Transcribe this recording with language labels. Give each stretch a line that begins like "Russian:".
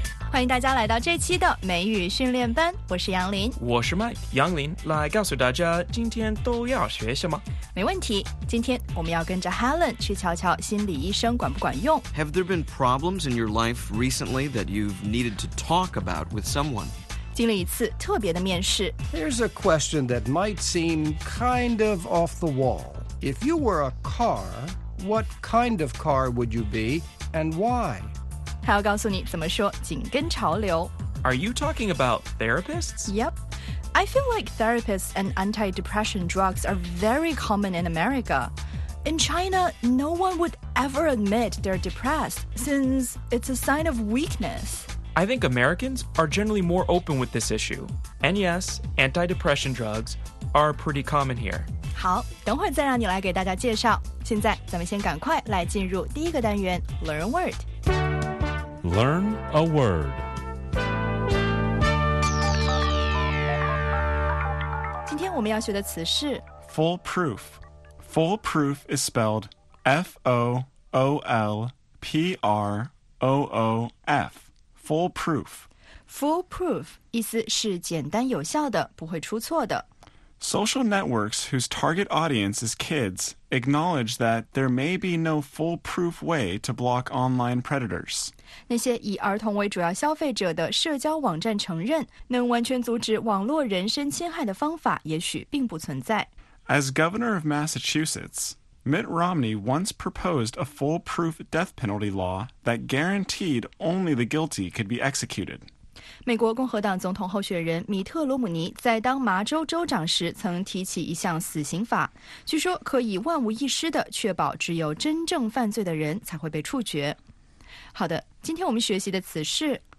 Chinese: 欢迎大家来到这期的美语训练班，我是杨林，我是 Mike 杨林，来告诉大家今天都要学什么。没问题，今天我们要跟着 Helen 去瞧瞧心理医生管不管用。
English: Have there been problems in your life recently that you've needed to talk about with someone?
Chinese: 经历一次特别的面试。
English: Here's a question that might seem kind of off the wall. If you were a car, what kind of car would you be and why?
Chinese: 还要告诉你怎么说紧跟潮流。
English: Are you talking about therapists? Yep. I feel like therapists and antidepressant drugs are very common in America. In China, no one would ever admit they're depressed, since it's a sign of weakness. I think Americans are generally more open with this issue. And yes, antidepressant drugs are pretty common here.
Chinese: 好，等会再让你来给大家介绍。现在咱们先赶快来进入第一个单元
English: Learn Word。 Learn a word.
Chinese: 今天我们要学的词是
English: foolproof. Foolproof is spelled F-O-O-L-P-R-O-O-F. Foolproof.
Chinese: Foolproof 意思是简单有效的，不会出错的。
English: Social networks whose target audience is kids acknowledge that there may be no foolproof way to block online predators.
Chinese: 那些以儿童为主要消费者的社交网站承认能完全阻止网络人身侵害的方法也许并不存在。
English: As governor of Massachusetts, Mitt Romney once proposed a foolproof death penalty law that guaranteed only the guilty could be executed.
Chinese: 美国共和党总统候选人米特·罗姆尼在当麻州州长时曾提起一项死刑法，据说可以万无一失地确保只有真正犯罪的人才会被处决。好的，今天我们学习的词是